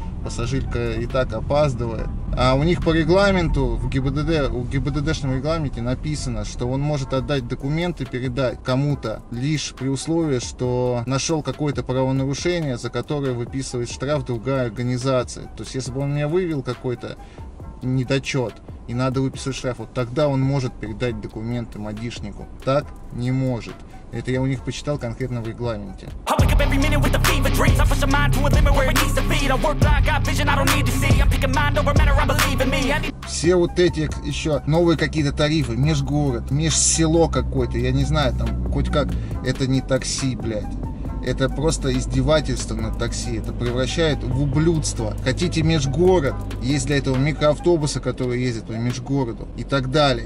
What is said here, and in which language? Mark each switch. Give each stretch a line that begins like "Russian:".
Russian: Пассажирка и так опаздывает. А у них по регламенту, в ГИБДД, в ГИБДДшном регламенте написано, что он может отдать документы, передать кому-то, лишь при условии, что нашел какое-то правонарушение, за которое выписывает штраф другая организация. То есть, если бы он меня выявил какой-то недочет и надо выписать штраф, вот тогда он может передать документы мадишнику. Так не может. Это я у них почитал конкретно в регламенте.
English: up every minute with the fever dreams. I push a mind to a limit where it needs to be. I work like I got vision, I don't need to see. I'm picking mind over matter, I believe in me.
Russian: Все вот эти еще новые какие-то тарифы, межгород, межсело какое-то, я не знаю, там, хоть как, это не такси, блядь. Это просто издевательство на такси, это превращает в ублюдство. Хотите межгород, есть для этого микроавтобусы, которые ездят по межгороду и так далее.